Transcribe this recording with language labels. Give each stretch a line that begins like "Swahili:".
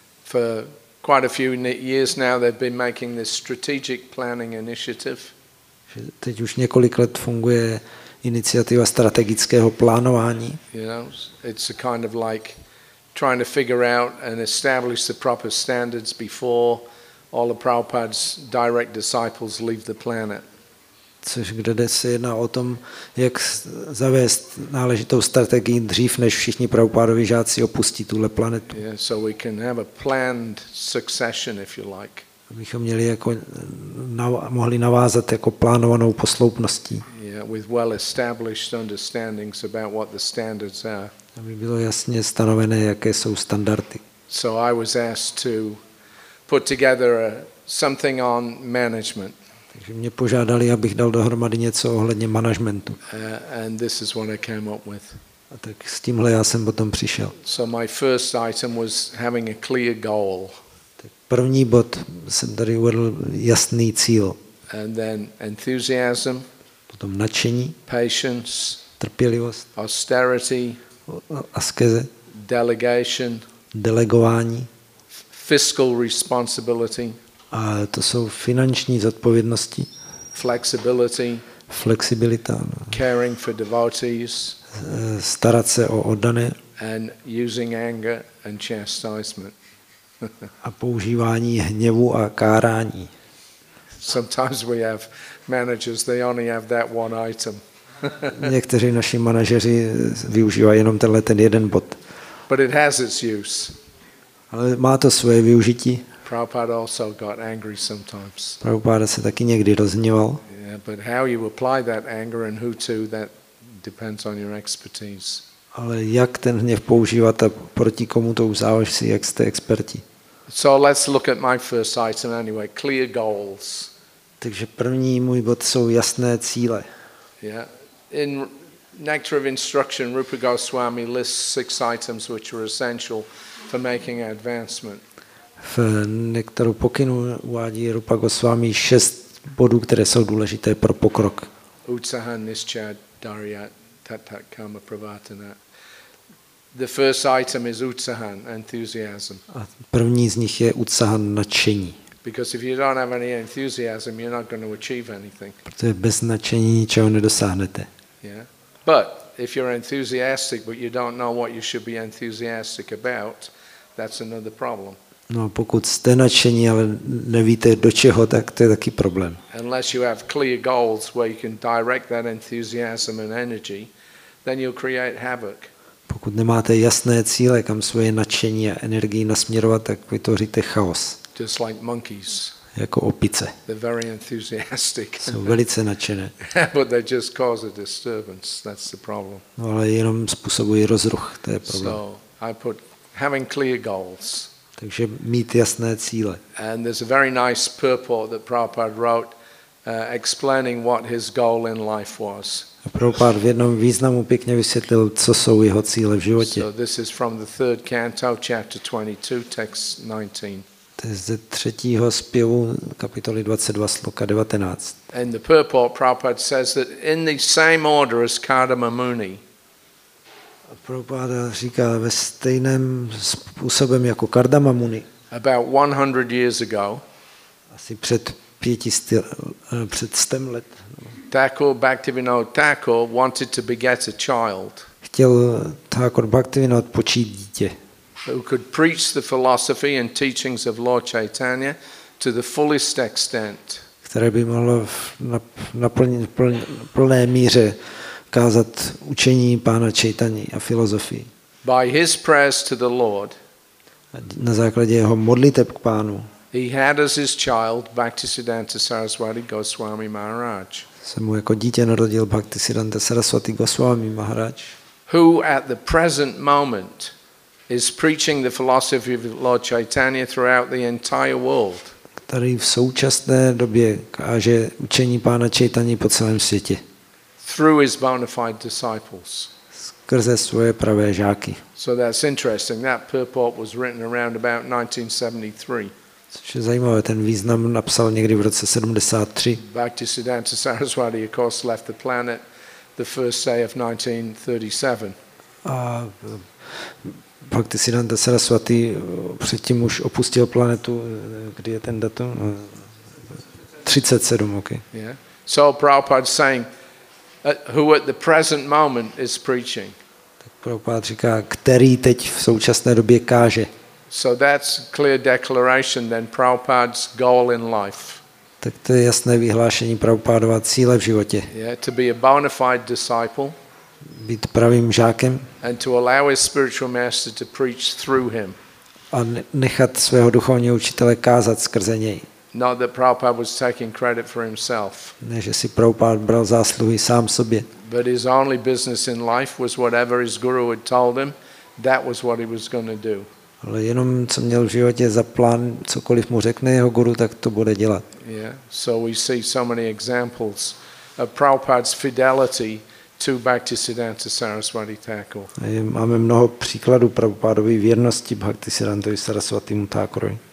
English: For quite a few years now they've been making this strategic planning initiative.
Czech: Teď už několik let funguje iniciativa strategického plánování.
English: You know, it's a kind of like trying to figure out and establish the proper standards before all the Prabhupada's direct disciples leave the planet.
Czech: Což kde se jedná o tom, jak zavést náležitou strategii dřív, než všichni Prabhupádovi žáci opustí tuhle planetu.
English: Yeah, so we can have a planned succession, if you like.
Czech: Abychom měli jako mohli navázat jako plánovanou posloupností.
English: With well established understandings about what the standards are.
Czech: Aby bylo jasně stanovené, jaké jsou standardy.
English: So I was asked to put together something on management.
Czech: Takže mě požádali, abych dal dohromady něco ohledně managementu.
English: And this is what I came up with.
Czech: A tak s tímhle já jsem potom přišel.
English: So my first item was having a clear goal.
Czech: První bod jsem tady uvedl jasný cíl.
English: And then enthusiasm,
Czech: potom nadšení,
English: patience,
Czech: trpělivost,
English: austerity,
Czech: askeze,
English: delegation,
Czech: delegování,
English: fiscal responsibility,
Czech: a to jsou finanční zodpovědnosti,
English: flexibility,
Czech: flexibilita,
English: caring for devotees,
Czech: starat se o oddané,
English: and using anger and chastisement.
Czech: A používání hněvu a kárání.
English: Sometimes we have managers, they only have that one item.
Czech: Někteří naši manažeři využívají jenom tenhle ten jeden bod.
English: But it has its use.
Czech: Ale má to svoje využití.
English: Prabhupada also got angry sometimes.
Czech: Prabhupada se taky někdy rozhněval.
English: Yeah, but how you apply that anger and who to, that depends on your expertise.
Czech: Ale jak ten hněv používat a proti komu to záleží, jak jste experti.
English: So let's look at my first item anyway, clear goals.
Czech: Takže první můj bod jsou jasné cíle.
English: Yeah. In Nectar of Instruction, Rupa Goswami lists 6 items which are essential for making advancement.
Czech: V Nektaru pokynu uvádí Rupa Goswami 6 bodů, které jsou důležité pro pokrok.
Sanskrit: Utsaha, nischa, dharya, tattva, kama, pravartana.
English: The first item is utsahan, enthusiasm.
Czech: A první z nich je utsahan, nadšení.
English: Because if you don't have any enthusiasm, you're not going to achieve anything.
Czech: Protože bez nadšení ničeho nedosáhnete.
English: Yeah. But if you're enthusiastic but you don't know what you should be enthusiastic about, that's another problem.
Czech: No, pokud jste nadšení, ale nevíte do čeho, tak to je taky problém.
English: Unless you have clear goals where you can direct that enthusiasm and energy, then you'll create havoc.
Czech: Pokud nemáte jasné cíle, kam svoje nadšení a energii nasměrovat, tak vytvoříte chaos.
English: Just like monkeys.
Czech: jako opice.
English: They're very enthusiastic.
Czech: Jsou velice nadšené.
English: But they just cause a disturbance. That's the problem.
Czech: No, ale jenom způsobují rozruch, to je problém.
English: So I put having clear goals.
Czech: Takže mít jasné cíle.
English: And there's a very nice purport that Prabhupada wrote explaining what his goal in life was.
Czech: A Prabhupada v jednom významu pěkně vysvětlil, co jsou jeho cíle v životě.
English: So this is from the third canto, chapter 22, text 19.
Czech: To je ze třetího zpěvu kapitoly 22 sloka 19.
English: And the purport Prabhupada says that in the same order as Kardama Muni.
Czech: Prabhupada říká ve stejném způsobem jako Kardama Muni.
English: About 100 years ago.
Czech: Asi před 500 před 100 let.
English: Thakur Bhaktivinoda Thakur wanted to beget a child.
Czech: Chtěl Thakur Bhaktivinoda počít dítě.
English: Who could preach the philosophy and teachings of Lord Chaitanya to the fullest extent.
Czech: Které by mohlo na plné míře kázat učení pána Chaitany a filozofii.
English: By his prayers to the Lord.
Czech: Na základě jeho modliteb k pánu.
English: He had as his child Bhaktisiddhanta Saraswati Goswami Maharaj.
Czech: Se mu jako dítě narodil Bhaktisiddhanta Saraswati Goswami Maharaj.
English: Who at the present moment is preaching the philosophy of Lord Chaitanya throughout the entire world.
Czech: Který v současné době káže učení pána Chaitany po celém světě.
English: Through his bona fide disciples.
Czech: Skrze svoje pravé žáky.
English: So that's interesting. That purport was written around about 1973.
Czech: Což je zajímavé, ten význam napsal někdy v roce 73.
English: Bhaktisiddhanta Saraswati of course left the planet the first day of 1937.
Czech: Bhaktisiddhanta Saraswati předtím už opustil planetu, kdy je ten datum?
English: 37, ok. Yeah. So Prabhupada saying, who at the present moment is preaching.
Czech: Tak Prabhupada říká, který teď v současné době káže.
English: So that's clear declaration then Prabhupada's goal in life.
Czech: Tak to je jasné vyhlášení Prabhupádova cíle v životě.
English: Yeah, to be a bona fide disciple.
Czech: Být pravým žákem.
English: And to allow his spiritual master to preach through him.
Czech: A nechat svého duchovního učitele kázat skrze něj.
English: Not that Prabhupada was taking credit for himself.
Czech: Ne, že si Prabhupada bral zásluhy sám sobě.
English: But his only business in life was whatever his guru had told him, that was what he was going to do.
Czech: Ale jenom co měl v životě za plán, cokoliv mu řekne jeho guru, tak to bude dělat.
English: Yeah. So we see so many examples of Prabhupada's fidelity to Bhaktisiddhanta Saraswati Thakur.
Czech: Máme mnoho příkladů Prabhupádovy věrnosti Bhaktisiddhantovi Sarasvatimu Thakurovi.